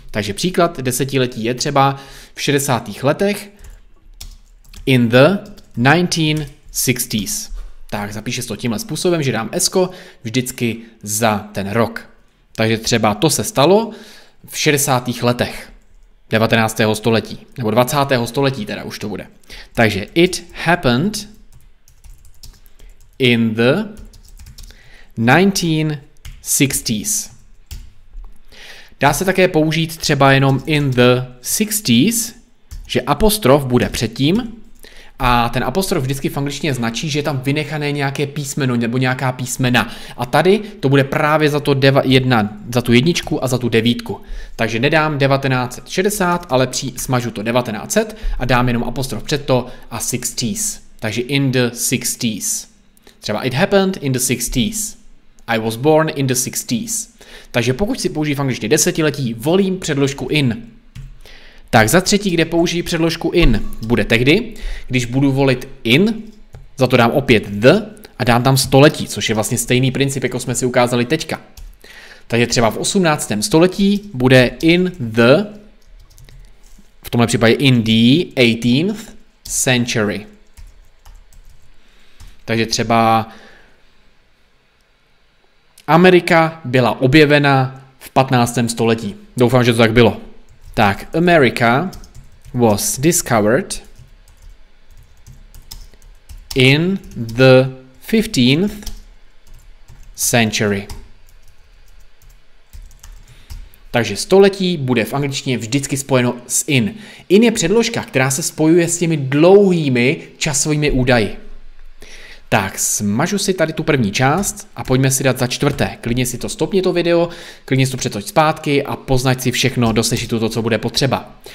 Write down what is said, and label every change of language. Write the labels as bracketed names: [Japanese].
[Czech] Takže příklad 10 let je třeba v 60. letech [English] in the 1960s. [Czech] Tak zapíše se to tímhle způsobem, že dám esko vždycky za ten rok. Takže třeba to se stalo v 60. letech. 19. století, nebo 20. století teda už to bude. [English] Takže it happened in the 1960s. [Czech] Dá se také použít třeba jenom [English] in the 60s, [Czech] že apostrof bude předtím a ten apostrof vždycky v angličtině značí, že je tam vynechané nějaké písmeno nebo nějaká písmena. A tady to bude právě za to za tu jedničku a za tu devítku. Takže nedám 1960, ale smažu to 1900 a dám jenom apostrof před to a 60s. [English] Takže in the 60s. Třeba it happened in the 60s. I was born in the 60s. [Czech] Takže pokud si použiju v angličtině 10 let, volím předložku in. Tak za třetí, kde použiji předložku in, bude tehdy, když budu volit in, za to dám opět the a dám tam století, což je vlastně stejný princip, jako jsme si ukázali teďka. Takže třeba v 18. století bude in the, v tomhle případě [English] in the 18th century. [Czech] Takže třeba Amerika byla objevena v 15. století. Doufám, že to tak bylo. [English] Tak, America was discovered in the 15th century. [Czech] Takže století bude v angličtině vždycky spojeno s in. In je předložka, která se spojuje s těmi dlouhými časovými údaji. Tak, smažu si tady tu první část a pojďme si dát za čtvrté. Klidně si to stopni to video, klidně si to přetoč zpátky a poznať si všechno, dosežit to, co bude potřeba.